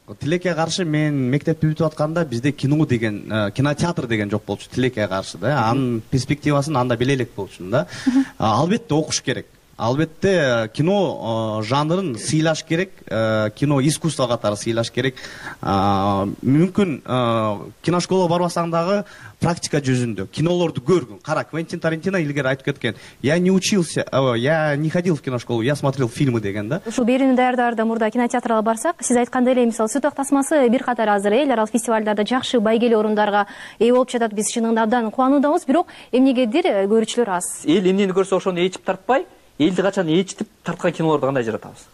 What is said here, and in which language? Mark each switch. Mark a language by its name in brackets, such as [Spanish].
[Kyrgyz] Тилекке каршы мен мектепти бүтүп атканда бизде кино деген кинотеатр деген жок болчу тилекке каршы да, анын перспективасын анда биле элек болчу да. Албетте окуш керек. Албетте кино жанрын сыйлаш керек, кино искусство катары сыйлаш керек. Мүмкүн киношколага барбасаң дагы практика жүзүндө кинолорду көргүн. Кара, Квентин Тарантино илгери айтып кеткен: [Russian] я не учился, я не ходил в киношколу, я смотрел фильмы [Kyrgyz] деген да. Ушул берүүнү даярдаарда мурда кинотеатрга барсак, сиз айткандай эле мисалы Сүт ак тасмасы бир катары азыр эл аралык фестивалдарда жакшы байгеле орундарга ээ болуп жатат. Биз чынында абдан кубануудабыз, бирок эмнегедир көрүүчүлөр аз. Эл эмнени көрсө ошону ээчип тартпай, элди качан ээчитип тарткан киноорду кандай жаратабыз?